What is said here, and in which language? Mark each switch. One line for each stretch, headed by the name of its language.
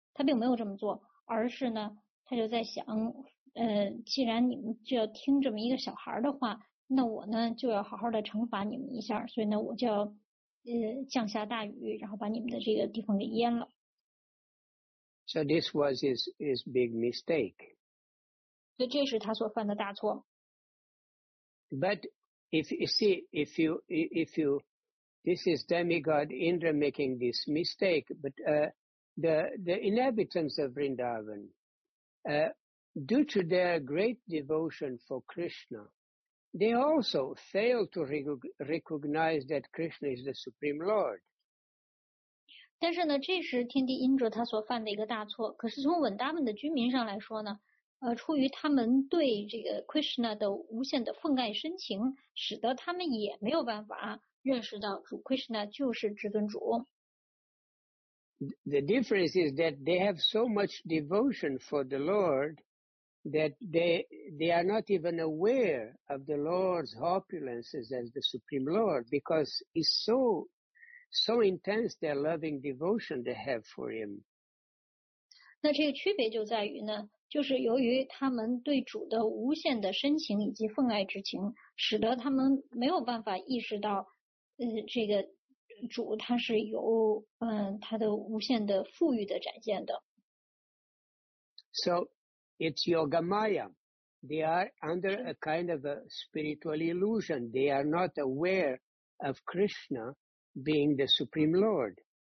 Chinese: 他并没有这么做，而是呢，他就在想，既然你们就要听这么一个小孩的话，那我呢就要好好的惩罚你们一下。所以呢，我就要降下大雨，然后把你们的这个地方给淹了。
English: So this was his big mistake.
Chinese: 所以这是他所犯的大错。
English: But this is demigod Indra making this mistake, but the inhabitants of Vrindavan, due to their great devotion for Krishna, they also fail to recognize that Krishna is the Supreme Lord.
Chinese: 但是呢，这是天帝 Indra 他所犯的一个大错。可是从稳达文的居民上来说呢，出于他们对这个 Krishna 的无限的奉爱深情，使得他们也没有办法认识到主 Krishna 就是至尊主。
English: The difference is that they have so much devotion for the Lord that they are not even aware of the Lord's opulences as the Supreme Lord because it's so intense their loving devotion they have for him.
Chinese: 那这个区别就在于呢，就是由于他们对主的无限的深情以及奉爱之情，使得他们没有办法意识到，这个主他是有他的无限的富裕的展现的。
English: So it's yoga maya. They are under a kind of a spiritual illusion. They are not aware of Krishna being the Supreme Lord.